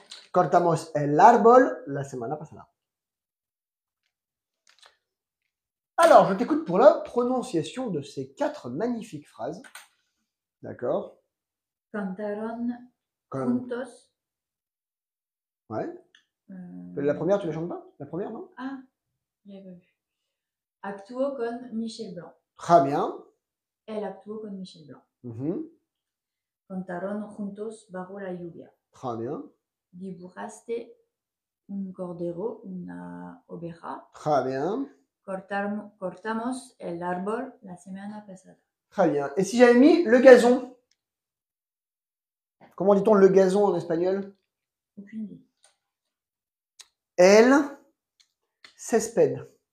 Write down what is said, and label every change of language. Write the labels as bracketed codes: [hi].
[es] Cortamos el arbol la semana pasada. [fr] Alors, je t'écoute pour la prononciation de ces quatre magnifiques phrases. D'accord? [es] Cantaron [fr] Comme. [es] juntos. [fr] Ouais. La première, tu la chantes pas? La première, non? Ah, j'ai pas vu. [es] Actuó con Michel Blanc. [fr] Très bien. Elle [es] actuó con Michel Blanc. Cantaron juntos bajo la lluvia. [fr] Très bien. [es] Dibujaste un cordero, una oveja. [fr] Très bien. [es] Cortamos el árbol la semana pasada. [fr] Très bien. Et si j'avais mis le gazon? Comment dit-on le gazon en espagnol? Aucune Elle s'espède.